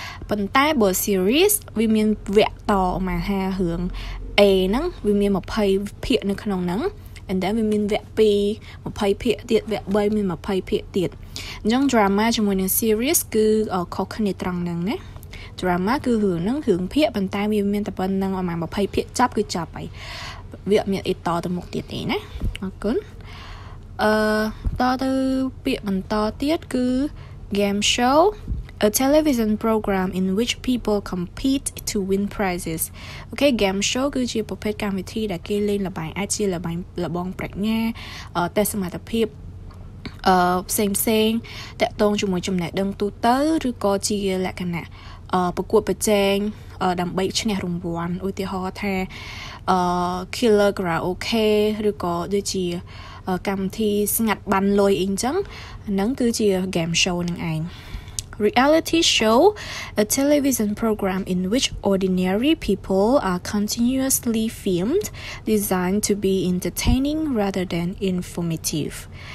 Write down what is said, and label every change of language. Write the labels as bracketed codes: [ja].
[km] ប៉ុន្តែបើ series វាមានវគ្គតមក5រឿង A ហ្នឹងវាមាន20ភាគនៅក្នុងហ្នឹង [en] and then [km] វាមានវគ្គ2 20ភាគទៀតវគ្គ3មាន20ភាគទៀតអញ្ចឹង drama ជាមួយនឹង series គឺខុសគ្នាត្រង់ហ្នឹងណា drama គឺរឿងហ្នឹងរឿងភាគប៉ុន្តែវាមានតែប៉ុណ្្នឹងប្រហែល20ភាគចប់គឺចប់ហើយវាអត់មានអីតទៅមុខទៀតទេណាអរគុណតទៅពាក្យបន្តទៀតគឺ game show a [en] a television program in which people compete to win prizes. [km] Okay, game show គឺជាប្រភេទកម្មវិធីដែលគេលេងល្បែងអាចជាល្បែងល្បងប្រាជ្ញាតែសមត្ថភាព ផ្សេងផ្សេងតាក់ទងជាមួយចំណេះដឹងទូទៅឬក៏ជាលក្ខណៈប្រកួតប្រជែងដើម្បីឈ្នះរង្វាន់ឧទាហរណ៍ថា killer karaoke ឬក៏ដូចជាកម្មវិធីស្ងាត់បានលុយអីចឹងហ្នឹងគឺជា game show ហ្នឹងឯង [en] Reality show, a television program in which ordinary people are continuously filmed, designed to be entertaining rather than informative.